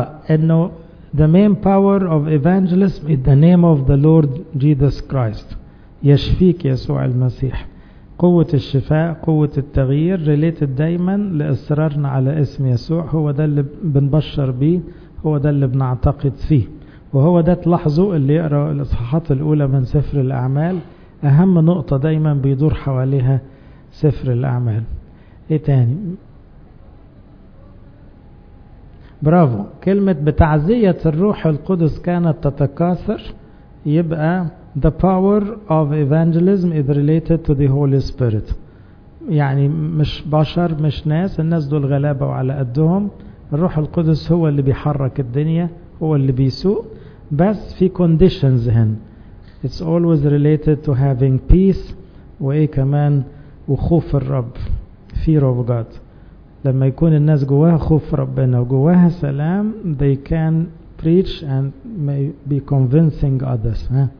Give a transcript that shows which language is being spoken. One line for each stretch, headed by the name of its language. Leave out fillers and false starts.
English: انه the main power of evangelism is the name of the Lord Jesus Christ.
Arabic: يشفيك يسوع المسيح. قوة الشفاء، قوة التغيير related دايما لإصرارنا على اسم يسوع. هو ده اللي بنبشر بيه، هو ده اللي بنعتقد فيه، وهو ده تلاحظوا اللي يقرأ الإصحاحات الأولى من سفر الأعمال، أهم نقطة دايما بيدور حواليها سفر الأعمال. إيه تاني؟ برافو. كلمة بتعزية الروح القدس كانت تتكاثر، يبقى
English: the power of evangelism is related to the Holy Spirit.
Arabic: يعني مش بشر، مش ناس، الناس دول غلابة وعلى قدهم، الروح القدس هو اللي بيحرك الدنيا، هو اللي بيسوق، بس في conditions هن.
English: It's always related to having peace،
Arabic: وإيه كمان؟ وخوف الرب،
English: fear of God.
Arabic: لما يكون الناس جواها خوف ربنا وجواها سلام،
English: they can preach and may be convincing others.